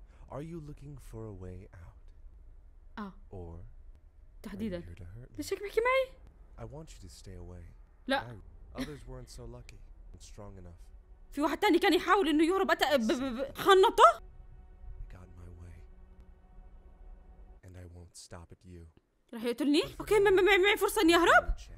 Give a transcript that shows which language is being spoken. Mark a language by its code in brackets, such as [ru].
[en] Are you looking for a way out? Or [ar] تحديدا ليش هيك بحكي معي؟ [en] I want you to stay away. [ar] لا [en] others weren't so lucky and strong enough. [ar] في واحد تاني كان يحاول انه يهرب، خنطه. [en] I got my way and I won't stop at you. [ar] راح يقتلني؟ اوكي معي فرصه اني اهرب.